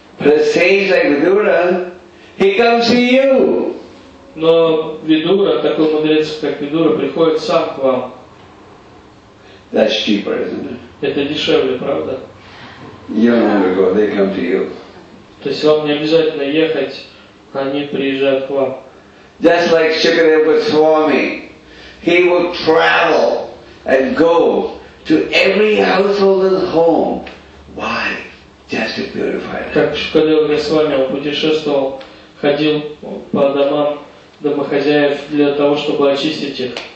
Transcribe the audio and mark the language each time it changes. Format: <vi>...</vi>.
<en>But a sage like Vidura, he comes to you.</en> <ru>Но Видура, такой мудрец, как Видура, приходит сам к вам.</ru> <en>That's cheaper, isn't it?</en> <ru>Это дешевле, правда?</ru> <en>You don't have to go, they come to you.</en> <ru>То есть вам не обязательно ехать, они приезжают к вам.</ru> <en>Just like Shukadeva Goswami, he would travel and go to every householder's home. Why? Just to purify them.</en> <ru>Как Шукадева Госвами, он путешествовал, ходил по домам домохозяев для того, чтобы очистить их.</ru>